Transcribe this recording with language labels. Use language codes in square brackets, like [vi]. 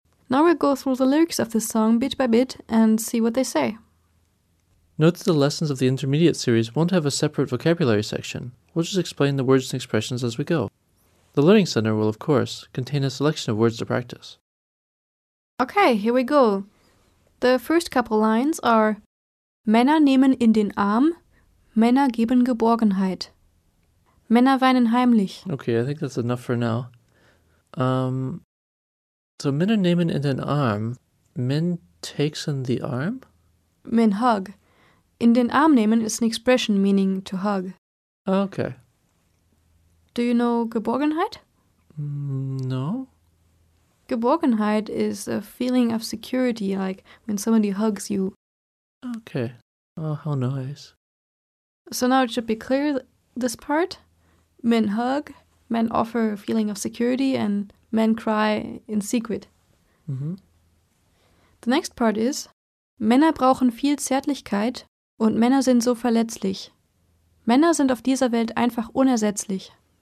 [en] Now we'll go through the lyrics of this song bit by bit and see what they say. Note that the lessons of the Intermediate Series won't have a separate vocabulary section. We'll just explain the words and expressions as we go. The Learning Center will, of course, contain a selection of words to practice. Okay, here we go. The first couple lines are [de] Männer nehmen in den Arm, Männer geben Geborgenheit. Männer weinen heimlich. [en] Okay, I think that's enough for now. So [de] Männer nehmen in den Arm, [en] men takes in the arm? Men hug. [de] In den Arm nehmen [en] is an expression meaning to hug. Okay. Do you know Geborgenheit? No. Geborgenheit is a feeling of security, like when somebody hugs you. Okay. Oh, how nice. So now it should be clear, this part. Men hug, men offer a feeling of security, and men cry in secret. Mm-hmm. The next part is, [de] Männer brauchen viel Zärtlichkeit und Männer sind so verletzlich. Männer sind auf dieser Welt einfach unersetzlich.